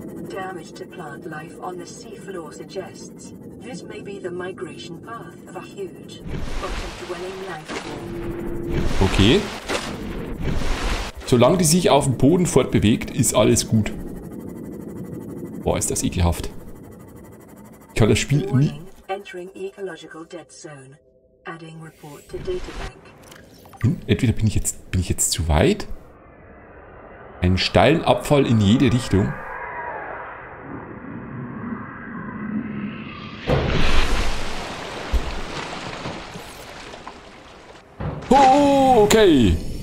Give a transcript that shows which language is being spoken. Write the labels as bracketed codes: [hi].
[en] Damage to plant life on the seafloor suggests this may be the migration path of a huge bottom dwelling life form. Okay. [de] Solange die sich auf dem Boden fortbewegt, ist alles gut. Boah, ist das ekelhaft. Ich kann das Spiel nie. [en] Entering ecological dead zone. Adding report to databank. [de] Entweder bin ich jetzt zu weit? Einen steilen Abfall in jede Richtung. [en] Oh, okay.